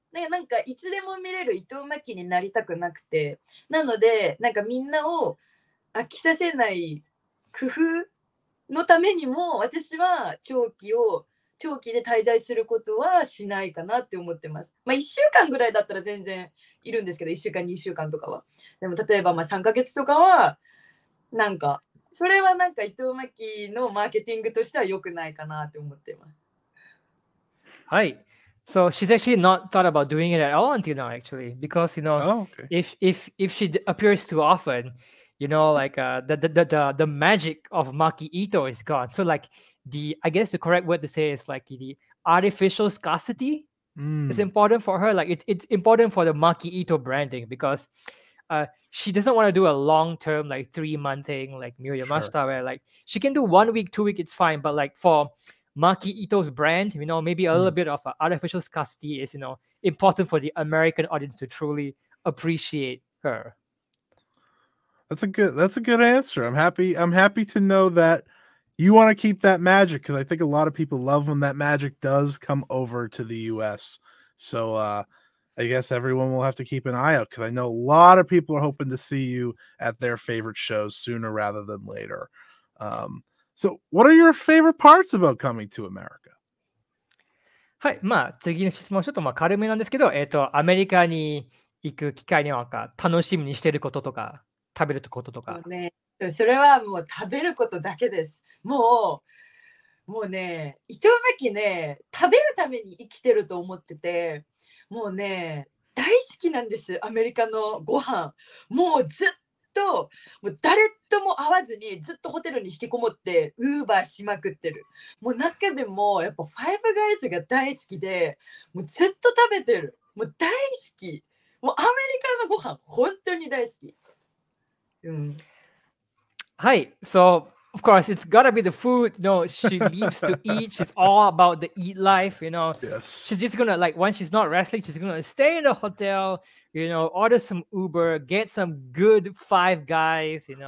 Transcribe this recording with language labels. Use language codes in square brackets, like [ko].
[ja] なんかいつでも見れる伊藤真希になりたくなくて、なのでなんかみんなを飽きさせない工夫のためにも私は長期で滞在することはしないかなって思ってます。まあ1週間ぐらいだったら全然いるんですけど、1週間2週間とかは。でも例えばまあ3ヶ月とかはなんかそれはなんか伊藤真希のマーケティングとしては良くないかなって思ってます。はい。 [en] So she's actually not thought about doing it at all until now, actually, because, you know, if she appears too often, you know, like the magic of Maki Itoh is gone. So like the, I guess the correct word to say is like the artificial scarcity is important for her. Like it's important for the Maki Itoh branding, because she doesn't want to do a long-term, like 3-month thing, like Miyu Yamashita, sure. Where like she can do 1 week, 2 week, it's fine. But like for Maki Itoh's brand, you know, maybe a little bit of artificial scarcity is, you know, important for the American audience to truly appreciate her. That's a good answer. I'm happy to know that you want to keep that magic, because I think a lot of people love when that magic does come over to the US. So I guess everyone will have to keep an eye out, because I know a lot of people are hoping to see you at their favorite shows sooner rather than later. So, what are your favorite parts about coming to America? [ja] はい、まあ次の質問ちょっとまあ軽めなんですけど、アメリカに行く機会にはか楽しみにしてることとか食べることとか。ね、それはもう食べることだけです。もうね、伊藤真希ね、食べるために生きてると思ってて、もうね、大好きなんです、アメリカのご飯。もうずっともう誰とも会わずにずっとホテルに引きこもってウーバーしまくってる。もう中でもやっぱファイブガイズが大好きで、もうずっと食べてる。もう大好き。もうアメリカのご飯本当に大好き。はい。 [en] So of course it's gotta be the food. No, she needs to eat. She's all about the eat life. You know. Yes. She's just gonna like when she's not wrestling, she's gonna stay in the hotel. You know, order some Uber, get some good Five Guys, you know.